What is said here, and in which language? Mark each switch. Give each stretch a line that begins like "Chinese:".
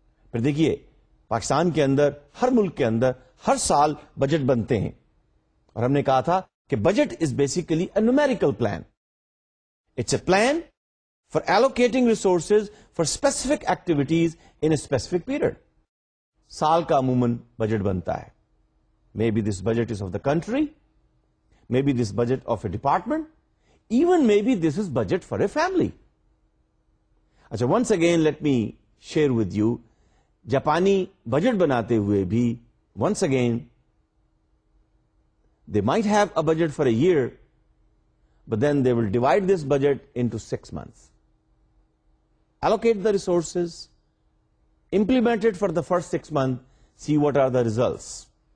Urdu: پھر دیکھیے، پاکستان کے اندر، ہر ملک کے اندر ہر سال بجٹ بنتے ہیں، اور ہم نے کہا تھا کہ
English: Budget is basically a numerical plan. It's a plan for allocating resources for specific activities in a specific period.
Urdu: سال کا عموماً بجٹ بنتا ہے.
English: May be this budget is of the country, may be this budget of a department, even may be this is budget for a family. اچھا، once again let me share with you,
Urdu: Japani budget banate hue bhi,
English: once again, they might have a budget for a year, but then they will divide this budget into 6 months. Allocate the resources, implement it for the first 6 months, see what are the results.